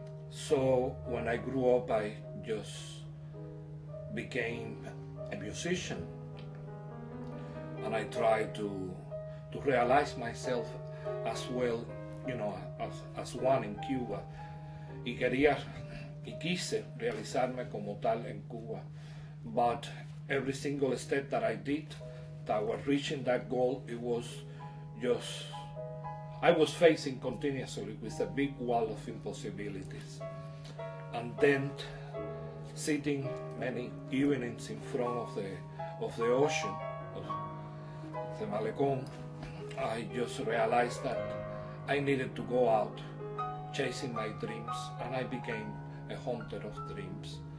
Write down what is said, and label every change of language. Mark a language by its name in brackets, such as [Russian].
[English] So when I grew up, I just became a musician, and I tried to realize myself as well, you know, as one in Cuba. [Spanish] Y quería y quise realizarme como tal en Cuba. [English] But every single step that I did toward reaching that goal, it was just, I was facing continuously with a big wall of impossibilities. And then sitting many evenings in front of the ocean, of the Malecón, I just realized that I needed to go out chasing my dreams, and I became a hunter of dreams.